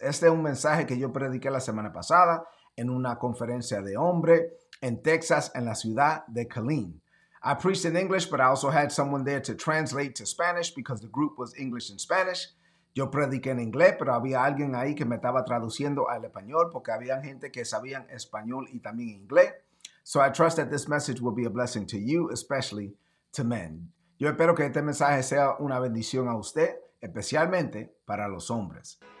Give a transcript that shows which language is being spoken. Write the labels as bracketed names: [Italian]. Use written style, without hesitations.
[Spanish] Este es un mensaje que yo prediqué la semana pasada en una conferencia de hombre en Texas, en la ciudad de Killeen. [English] I preached in English, but I also had someone there to translate to Spanish because the group was English and Spanish. [Spanish] Yo prediqué en inglés, pero había alguien ahí que me estaba traduciendo al español porque había gente que sabían español y también inglés. [English] So I trust that this message will be a blessing to you, especially to men. [Spanish] Yo espero que este mensaje sea una bendición a usted, especialmente para los hombres.